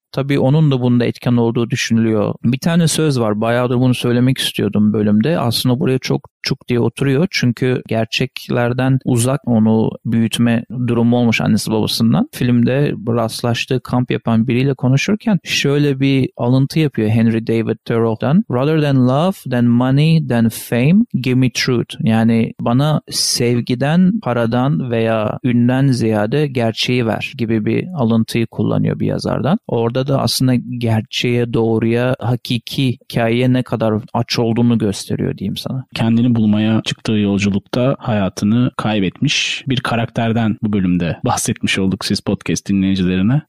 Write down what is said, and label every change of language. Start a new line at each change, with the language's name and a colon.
Turkish: Tabii onun da bunda etken olduğu düşünülüyor. Bir tane söz var. Bayağıdır bunu söylemek istiyordum bölümde. Aslında buraya çok çuk diye oturuyor. Çünkü gerçeklerden uzak onu büyütme durumu olmuş annesi babasından. Filmde rastlaştığı kamp yapan biriyle konuşurken şöyle bir alıntı yapıyor Henry David Thoreau'dan.
English: Rather than love, than money, than fame, give me truth.
Turkish: Yani bana sevgiden, paradan veya ünden ziyade gerçeği ver gibi bir alıntıyı kullanıyor bir yazardan. Orada da aslında gerçeğe, doğruya, hakiki hikayeye ne kadar aç olduğunu gösteriyor diyeyim sana. Kendini bulmaya çıktığı yolculukta hayatını kaybetmiş bir karakterden bu bölümde bahsetmiş olduk siz podcast dinleyicilerine.